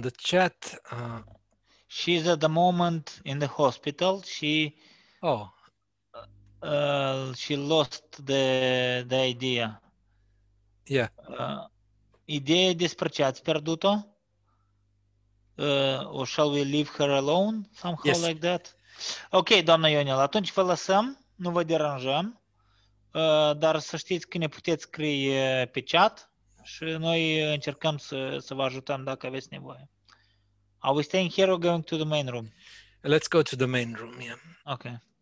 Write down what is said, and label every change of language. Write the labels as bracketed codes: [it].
[en] the chat. She's at the moment in the hospital. She she lost the idea. Yeah. [ro] Idee despre ce ați pierdut-o? [en] Or shall we leave her alone somehow like that? [ro] Okay, doamna Ionel, atunci vă lăsăm, nu vă deranjăm. Dar să știți că ne puteți scrie pe chat și noi încercăm să vă ajutăm dacă aveți nevoie. [en] Are we staying here or going to the main room? Let's go to the main room, yeah. Okay.